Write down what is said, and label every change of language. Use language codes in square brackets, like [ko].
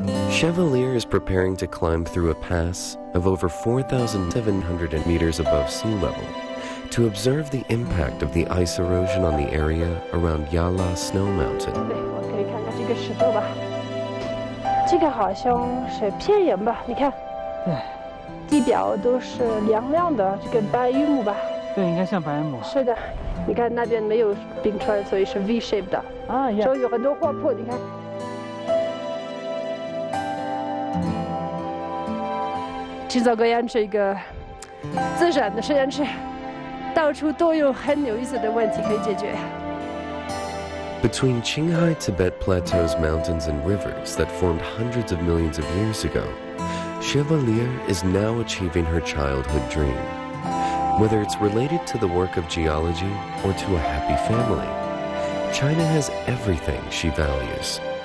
[en] Chevalier is preparing to climb through a pass of over 4,700 meters above sea level to observe the impact of the ice erosion on the area around Yala Snow Mountain. [zh] 对，我可以看看这个石头吧。这个好像是片岩吧？你看。对。地表都是亮亮的，就跟白玉木吧。对，应该像白玉木。是的，你看那边没有冰川，所以是 V shape 的。啊，也。就有很多滑坡，你看。青藏高原是一个自然的实验室，到处都有很有意思的问题可以解决。 [en] Between Qinghai Tibet Plateau's mountains and rivers that formed hundreds of millions of years ago. Chevalier is now achieving her childhood dream. Whether it's related to the work of geology or to a happy family, China has everything she values.